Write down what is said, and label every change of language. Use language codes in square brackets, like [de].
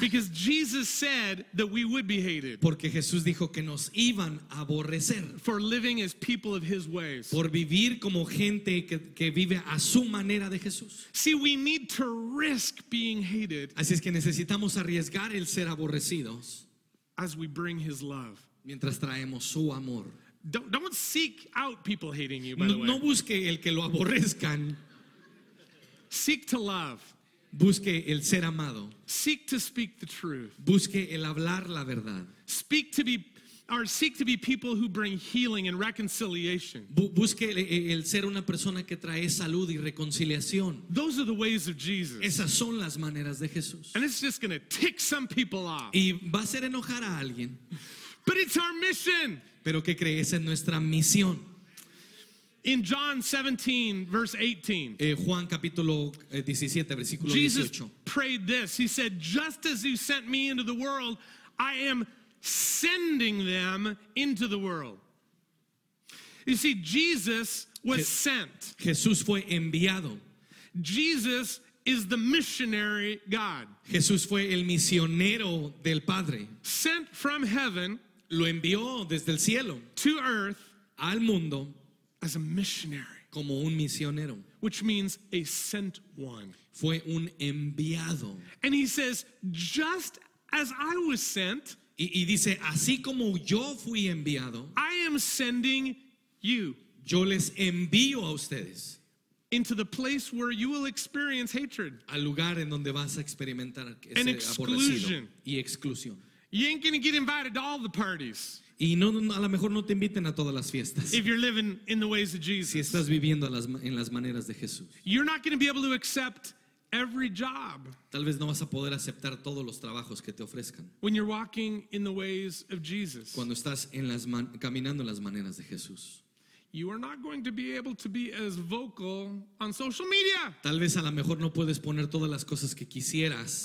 [en] Because Jesus said that we would be hated. [es] Porque Jesús dijo que nos iban a aborrecer. [en] For living as people of his ways. [es] Por vivir como gente que vive a su manera de Jesús. [en] See, we need to risk being hated. [es] Así es que necesitamos arriesgar el ser aborrecidos [en] as we bring his love. [es] Mientras traemos su amor. [en] Don't seek out people hating you, by [es] no, [en] the way. [es] No busque el que lo aborrezcan. [en] Seek to love. [es] Busque el ser amado. [en] Seek to speak the truth. [es] Busque el hablar la verdad. [en] Speak to be or seek to be people who bring healing and reconciliation. [es] Busque el ser una persona que trae salud y reconciliación. [en] Those are the ways of Jesus. [es] Esas son las maneras de Jesús. [en] And it's just going to tick some people off. [es] Y va a hacer enojar a alguien. [en] But it's our mission. [es] Pero que crees en nuestra misión. [en] In John 17, verse 18, [es] Juan capítulo 17, versículo 18, [en] Jesus prayed this. He said, just as you sent me into the world, I am sending them into the world. You see, Jesus was sent. [es] Jesús fue enviado. [en] Jesus is the missionary God. [es] Jesús fue el misionero del Padre. [en] Sent from heaven. [es] Lo envió desde el cielo. [en] To earth. [es] Al mundo. [en] As a missionary, [es] como un misionero, [en] which means a sent one, [es] fue un enviado, [en] and he says, just as I was sent, [es] y dice así como yo fui enviado, [en] I am sending you, [es] yo les envío a ustedes, [en] into the place where you will experience hatred, [es] al lugar en donde vas a experimentar ese [en] and exclusion, [es] y exclusión. [en] You ain't gonna get invited to all the parties. [es] Y no, no, a lo mejor no te inviten a todas las fiestas. [en] If you're living in the ways of Jesus. [es] Si estás viviendo en las maneras de Jesús. [en] You're not going to be able to accept every job. [es] Tal vez no vas a poder aceptar todos los trabajos que te ofrezcan. [en] When you're walking in the ways of Jesus. [es] Cuando estás en las caminando en las maneras de Jesús. [en] You are not going to be able to be as vocal on social media. [es] Tal vez a lo mejor no puedes poner todas las cosas que quisieras.